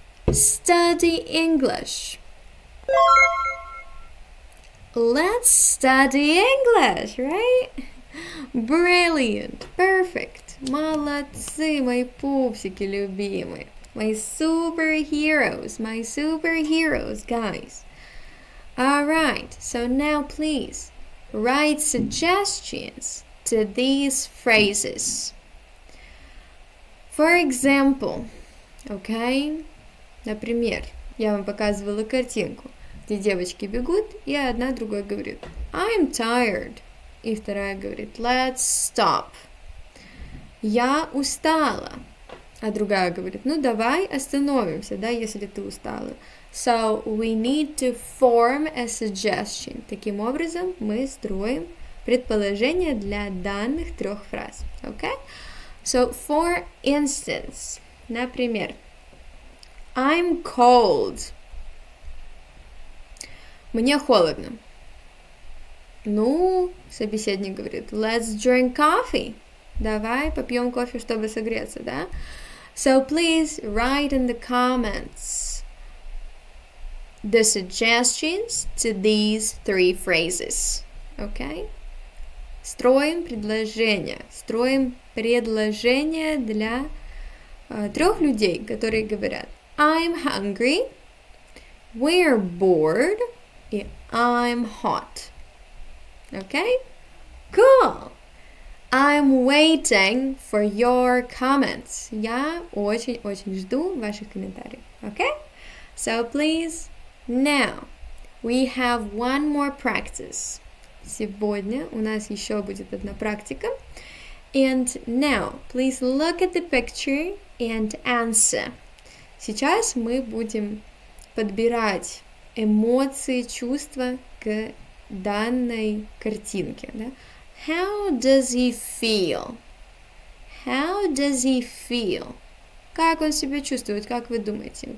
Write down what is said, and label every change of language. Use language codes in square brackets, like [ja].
[en] Study English. Let's study English, right? Brilliant. Perfect. [ru] Молодцы, мои пупсики любимые. [en] My superheroes, guys. All right, so now please write suggestions to these phrases. For example, okay? [ru] Например, я вам показывала картинку, где девочки бегут, и одна другой говорит, [en] I'm tired. [ru] И вторая говорит, [en] let's stop. [ru] Я устала. А другая говорит, ну давай остановимся, да, если ты устала. [en] So we need to form a suggestion. [ru] Таким образом, мы строим предположение для данных трех фраз. [en] Okay? So for instance, [ru] например, [en] I'm cold. [ru] Мне холодно. Ну, собеседник говорит, [en] let's drink coffee. [ru] Давай попьем кофе, чтобы согреться, да? [en] So please write in the comments the suggestions to these three phrases, okay? [ru] Строим предложение. Строим предложение для трех людей, которые говорят [en] I'm hungry, we're bored, [ru] и [en] I'm hot. Okay? Cool! I'm waiting for your comments. [ru] Я очень-очень жду ваших комментариев. [en] Okay? So please, now, we have one more practice. [ru] Сегодня у нас еще будет одна практика. [en] And now, please look at the picture and answer. [ru] Сейчас мы будем подбирать эмоции, чувства к данной картинке, да? [en] How does he feel? How does he feel? [ru] Как он себя чувствует? Как вы думаете?